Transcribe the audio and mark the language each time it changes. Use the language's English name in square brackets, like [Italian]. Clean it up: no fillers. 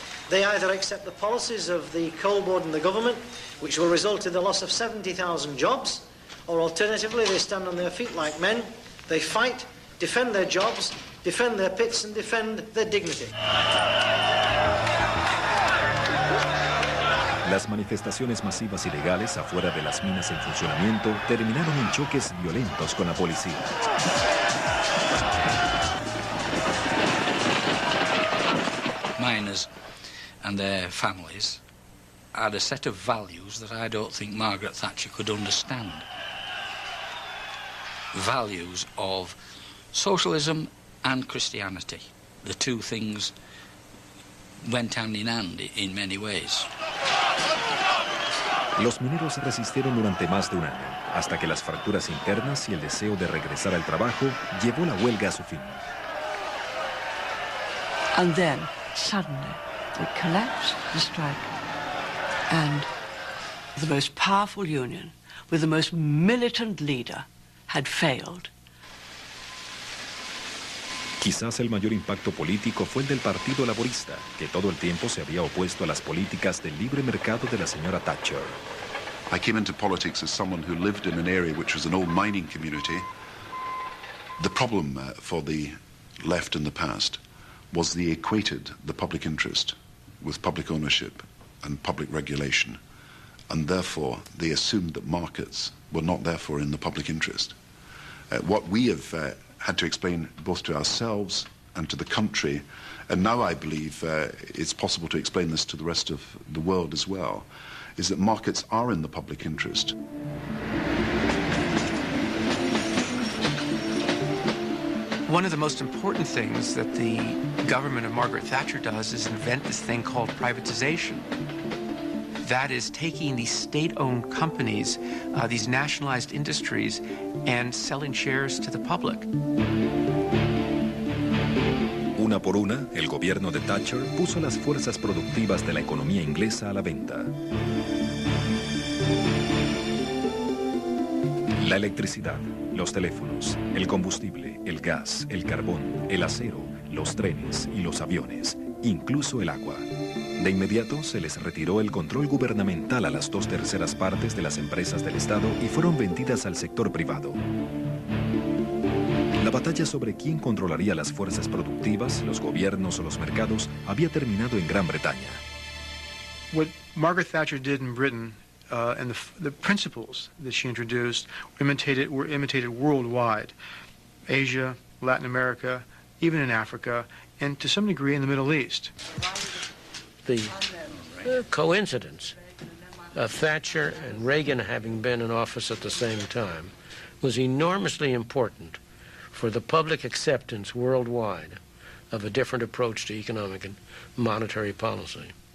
[English] They either accept the policies of the coal board and the government, which will result in the loss of 70,000 jobs, or alternatively, they stand on their feet like men. They fight, defend their jobs, defend their pits, and defend their dignity. [Spanish] Las manifestaciones masivas ilegales afuera de las minas en funcionamiento terminaron en choques violentos con la policía. [English] Miners and their families had a set of values that I don't think Margaret Thatcher could understand. Values of socialism and Christianity. The two things went hand in hand in many ways. [Spanish] Los mineros resistieron durante más de un año, hasta que las fracturas internas y el deseo de regresar al trabajo llevó la huelga a su fin. [English] And then, suddenly, the collapse, the strike, and the most powerful union with the most militant leader had failed. [Spanish] Quizás el mayor impacto político fue el del Partido Laborista, que todo el tiempo se había opuesto a las políticas del libre mercado de la señora Thatcher. [English] I came into politics as someone who lived in an area which was an old mining community. The problem for the left in the past was they equated the public interest with public ownership and public regulation, and therefore they assumed that markets were not therefore in the public interest. What we have had to explain both to ourselves and to the country, and now I believe it's possible to explain this to the rest of the world as well, is that markets are in the public interest. Well, One of the most important things that the government of Margaret Thatcher does is invent this thing called privatization. That is taking these state-owned companies, these nationalized industries, and selling shares to the public. [Spanish] Una por una, el gobierno de Thatcher puso las fuerzas productivas de la economía inglesa a la venta. La electricidad, los teléfonos, el combustible, el gas, el carbón, el acero, los trenes y los aviones, incluso el agua. De inmediato se les retiró el control gubernamental a las 2/3 partes de las empresas del Estado y fueron vendidas al sector privado. La batalla sobre quién controlaría las fuerzas productivas, los gobiernos o los mercados había terminado en Gran Bretaña. [English] What Margaret Thatcher did in Britain and the principles that she introduced were imitated worldwide. Asia, Latin America, even in Africa, and to some degree in the Middle East. The coincidence of Thatcher and Reagan having been in office at the same time was enormously important for the public acceptance worldwide of a different approach to economic and monetary policy.